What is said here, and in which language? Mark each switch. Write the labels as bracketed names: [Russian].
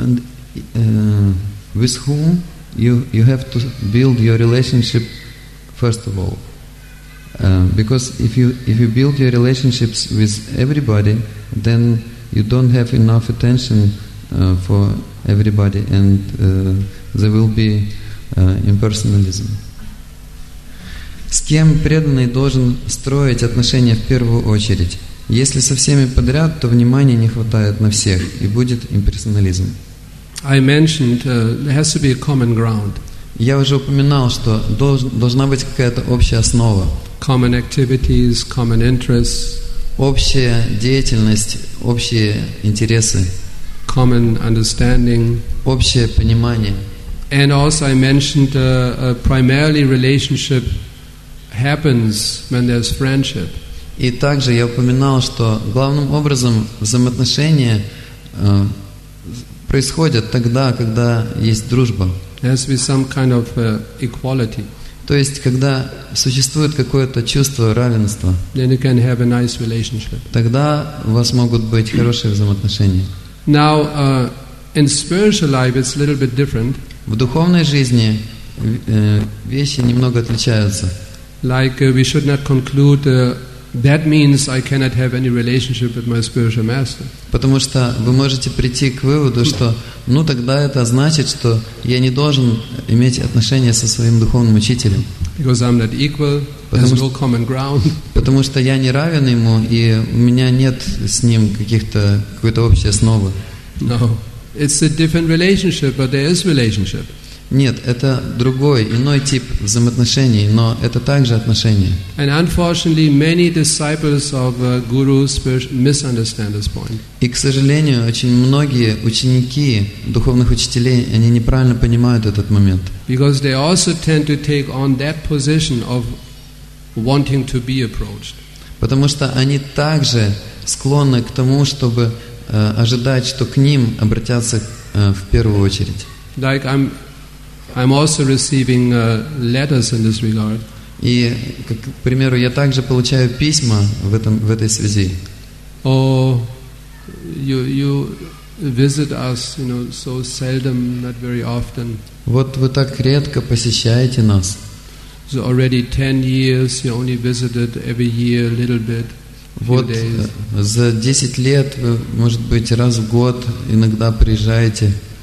[English] and with whom you have to build your relationship first of all, because if you build your relationships with everybody, then you don't have enough attention for everybody, and there will be impersonalism. [Russian] С кем преданный должен строить отношения в первую очередь? Если со всеми подряд, то внимания не хватает на всех, и будет имперсонализм. [English] I mentioned there has to be a common ground. [Russian] Я уже упоминал, что должна быть какая-то общая основа. [English] Common activities, common interests. [Russian] Общая деятельность, общие интересы. [English] Common understanding. [Russian] Общее понимание. [English] And also I mentioned a primarily relationship happens when there's friendship. [Russian] И также я упоминал, что главным образом взаимоотношения происходят тогда, когда есть дружба. [English] There's be some kind of equality. [Russian] То есть, когда существует какое-то чувство равенства, [English] then you can have a nice relationship. [Russian] Тогда у вас могут быть хорошие взаимоотношения. [English] Now, in spiritual life, it's a little bit different. [Russian] В духовной жизни вещи немного отличаются. [English] Like we should not conclude that means I cannot have any relationship with my spiritual master. [Russian] Потому что вы можете прийти к выводу, что ну тогда это значит, что я не должен иметь отношения со своим духовным учителем. [English] Because I'm not equal, there's no common ground. [Russian] Потому что я не равен ему, и у меня нет с ним какой-то общей основы. [English] No, it's a different relationship, but there is relationship. [Russian] Нет, это другой, иной тип взаимоотношений, но это также отношения. [English] And unfortunately, many disciples of gurus misunderstand this point. [Russian] И, к сожалению, очень многие ученики духовных учителей, они неправильно понимают этот момент. [English] Because they also tend to take on that position of wanting to be approached. [Russian] Потому что они также склонны к тому, чтобы ожидать, что к ним обратятся в первую очередь. [English] Like I'm also receiving letters in this regard. [Russian] И, к примеру, я также получаю письма в этой связи. [English] Oh, you visit us, you know, so seldom, not very often. [Russian] Вот вы так редко посещаете нас. [English] So already 10 years, you only visited every year a little bit. [Russian] Вот за 10 лет вы, может быть, раз в год иногда приезжаете.